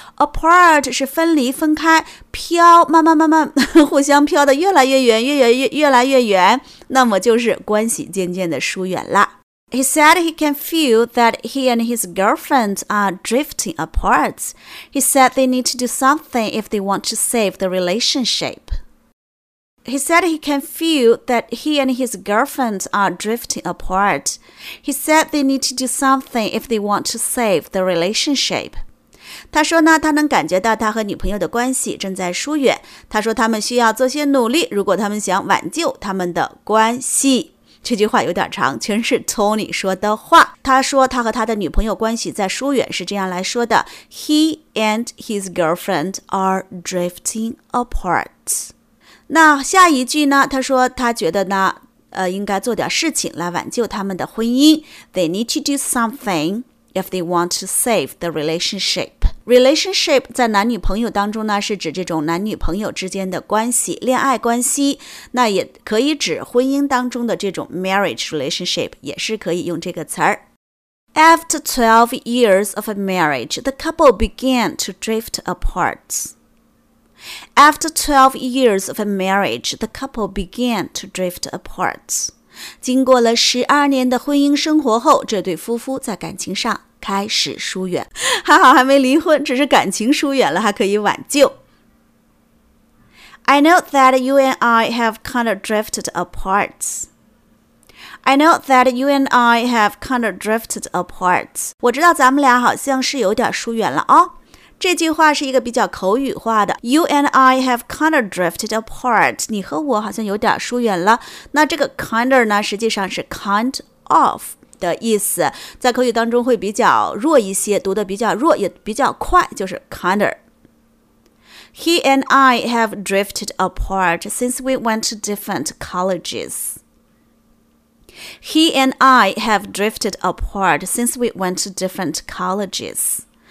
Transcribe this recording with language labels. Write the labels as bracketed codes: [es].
[zh] apart 是分离、分开，飘慢慢互相飘得越来越远，越来越远，那么就是关系渐渐的疏远了。 [en] He said he can feel that he and his girlfriend are drifting apart. He said they need to do something if they want to save the relationship. He said he can feel that he and his girlfriend are drifting apart. He said they need to do something if they want to save the relationship. [zh] 他说呢，他能感觉到他和女朋友的关系正在疏远。他说他们需要做些努力，如果他们想挽救他们的关系。这句话有点长，全是 Tony 说的话。他说他和他的女朋友关系在疏远，是这样来说的 ： [en] He and his girlfriend are drifting apart. [zh] 那下一句呢，他说他觉得呢应该做点事情来挽救他们的婚姻。 [en] They need to do something if they want to save the relationship. [zh] Relationship 在男女朋友当中呢，是指这种男女朋友之间的关系，恋爱关系。那也可以指婚姻当中的这种 marriage relationship， 也是可以用这个词儿。 [en] After 12 years of marriage, the couple began to drift apart. After 12 years of marriage, the couple began to drift apart. [zh] 经过了12年的婚姻生活后，这对夫妇在感情上开始疏远。还好还没离婚，只是感情疏远了，还可以挽救。 [en] I know that you and I have kind of drifted apart. I know that you and I have kind of drifted apart. [zh] 我知道咱们俩好像是有点疏远了哦。这句话是一个比较口语化的 [en] You and I have kind of drifted apart [zh] 你和我好像有点疏远了那这个 kind of 呢实际上是 kind of 的意思在口语当中会比较弱一些读得比较弱也比较快就是 kind of [en] He and I have drifted apart since we went to different colleges He and I have drifted apart since we went to different colleges